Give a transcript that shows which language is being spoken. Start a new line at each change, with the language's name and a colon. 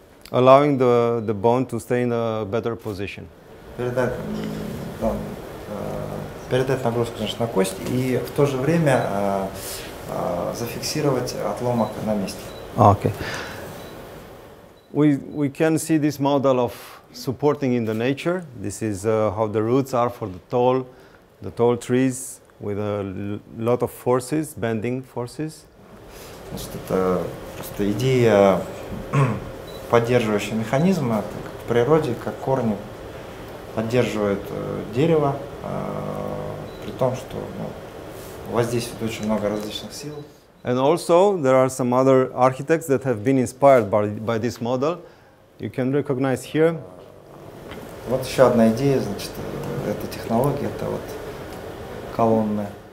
English: Allowing the bone to stay in a better position.
Russian: Передать нагрузку, значит, на кость, и в то же время зафиксировать отломок на месте.
English: Okay. We can see this model of supporting in the nature. This is how the roots are for the tall trees with a lot of forces, bending forces.
Russian: Значит, это просто идея поддерживающего механизма в природе, как корни поддерживают дерево, при том, что воздействует очень много различных сил.
English: And also, there are some other architects that have been inspired by this model. You can recognize here.
Russian: Вот еще одна идея, значит, эта технология, это вот колонны.